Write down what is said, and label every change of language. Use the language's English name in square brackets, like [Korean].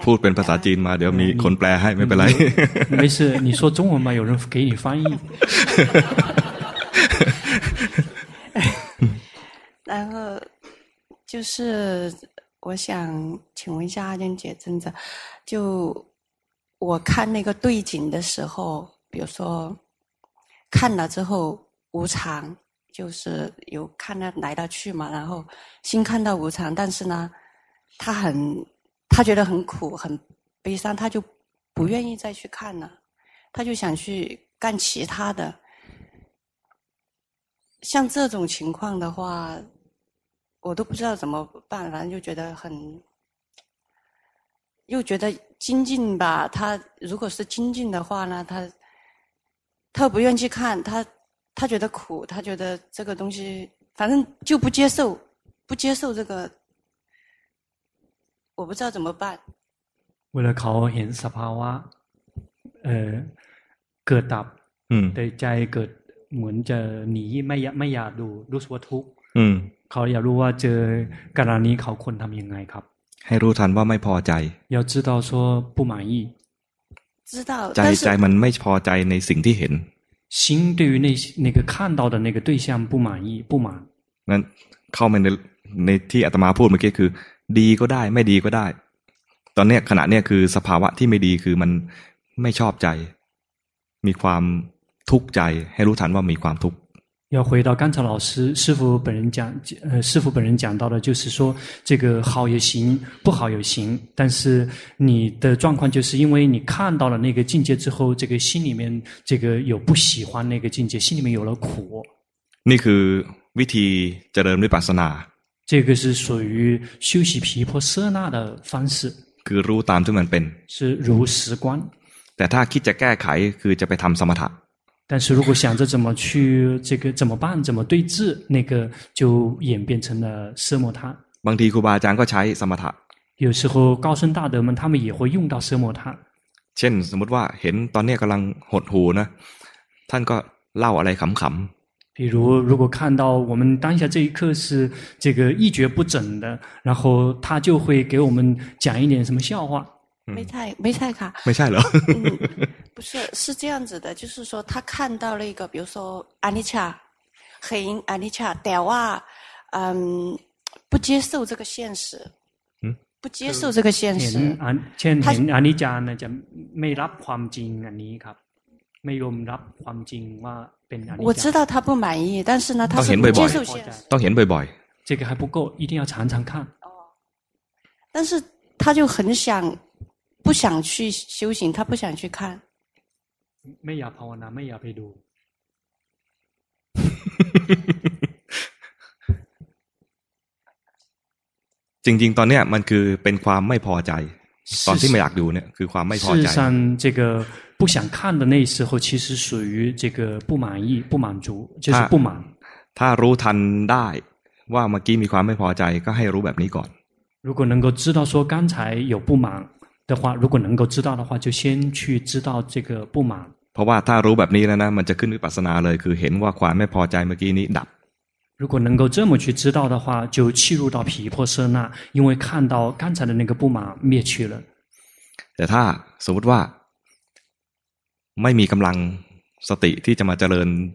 [Thai] พูดเป็นภาษาจีนมาเดี๋ยวมีคนแปลให้ไม่เป็นไรไ ม่ใช่ [Chinese] 你说中文嘛有人给你翻译然后就是我想请问一下阿娟姐，真的，就我看那个对景的时候，比如说看了之后无常，就是有看到来到去嘛，然后心看到无常，但是呢，他觉得很苦很悲伤，他就不愿意再去看了，他就想去干其他的。像这种情况的话。我都不知道怎么办，反正就觉得很，又觉得精进吧。他如果是精进的话呢，他不愿意去看，他觉得苦，他觉得这个东西，反正就不接受这个，我不知道怎么办。为了考验 [Thai] สภาวะ，เกิดดับ，嗯， ใจเกิดเหมือนจะหนีไม่อยากดูรู้สึกว่าทุกข์，嗯。 เขาอยากรู้ว่าเจอกรณีเขาควรทำยังไงครับ ให้รู้ทันว่าไม่พอใจ [Chinese] 要知道说不满意知道 [Thai] ใจมันไม่พอใจในสิ่งที่เห็น [Chinese] 心对于那个看到的那个对象不满意不满 [Thai] นั้นเข้ามาในที่อาตมาพูดเมื่อกี้คือดีก็ได้ไม่ดีก็ได้ตอนนี้ขณะนี้คือสภาวะที่ไม่ดีคือมันไม่ชอบใจมีความทุกข์ใจให้รู้ทันว่ามีความทุกข์ [Chinese] 要回到刚才老师师父本人讲师父本人讲到的就是说这个好也行不好也行但是你的状况就是因为你看到了那个境界之后这个心里面这个有不喜欢那个境界心里面有了苦 [Thai] นี่คือวิธีเจริญวิปัสสนา [Chinese] 这个是属于修习毗婆舍那的方式 [Thai] คือรู้ตามที่มันเป็น [Chinese] 是如实观 [Thai] แต่ถ้าคิดจะแก้ไขคือจะไปทำสมถะ [Chinese] 但是如果想着怎么去这个怎么办怎么对治那个就演变成了奢摩他 [Thai] บางทีครูบาอาจารย์ก็ใช้สมถะ [Chinese] 有时候高僧大德们他们也会用到奢摩他 [Thai] เช่นสมมติว่าเห็นตอนนี้กำลังหดหูนะท่านก็เล่าอะไรขำ [Chinese] ๆ比如如果看到我们当下这一刻是这个一蹶不振的然后他就会给我们讲一点什么笑话没菜卡没菜了不是是这样子的就是说他看到了一个比如说阿尼恰很阿尼恰但是不接受这个现实不接受这个现实很阿尼恰呢就没 [Thai] รับความจริงอันนี้ครับ [Chinese] 没有 [Thai] รับความจริงว่าเป็นอันนี้ [Chinese] 我知道他不满意但是呢他是不接受现实 [Thai] ต้องเห็นบ่อย [Chinese] ๆ这个还不够一定要常常看但是他就很想不想去修行他不想去看 [Thai] ไม่อยากภาวนาไม่อยากไปดู จริงๆตอนเนี้ยมันคือเป็นความไม่พอใจตอนที่ไม่อยากดูเนี่ยคือความไม่พอใจ [Chinese] 事实上这个不想看的那时候其实属于这个不满意不满足就是不满 [Thai] ถ้ารู้ทันได้ว่าเมื่อกี้มีความไม่พอใจก็ให้รู้แบบนี้ก่อน [Chinese] 如果能够知道说刚才有不满的话如果能够知道的话就先去知道这个不满 [Thai] เพราะว่าถ้ารู้แบบนี้แล้วนะมันจะขึ้นวิปัสสนาเลยคือเห็นว่าความไม่พอใจเมื่อกี้นี้ดับ [Chinese] 如果能够这么去知道的话就契入到毗婆舍那因为看到刚才的那个不满灭去了 [Thai] แต่ถ้าสมมติว่าไม่มีกำลังสติที่จะมาเจริญ